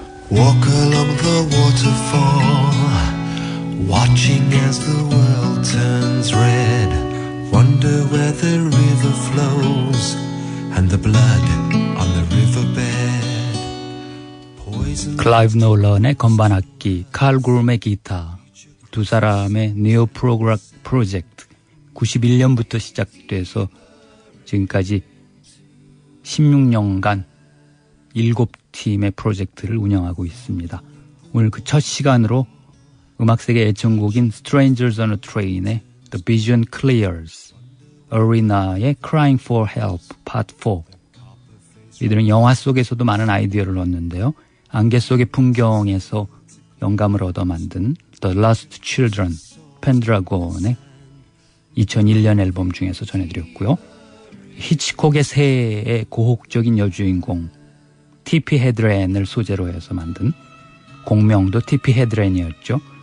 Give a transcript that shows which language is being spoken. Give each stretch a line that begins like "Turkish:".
English: Walk along the waterfall, watching as the world turns red. Wonder where the river flows and the blood on the riverbed. Poison.
Korean: Clive Nolan의 건반 악기, Carl Groom의 기타, 두 사람의 Neo Prog 프로젝트. 91년부터 시작돼서 지금까지 16년간 7팀의 프로젝트를 운영하고 있습니다. 오늘 그 첫 시간으로 음악세계 애청곡인 Strangers on a Train의 The Vision Clears, Arena의 Crying for Help, Part 4. 이들은 영화 속에서도 많은 아이디어를 얻는데요. 안개 속의 풍경에서 영감을 얻어 만든 The Lost Children, Pendragon의 2001년 앨범 중에서 전해드렸고요. 히치콕의 새해의 고혹적인 여주인공 티피 헤드렌을 소재로 해서 만든, 공명도 티피 헤드렌이었죠.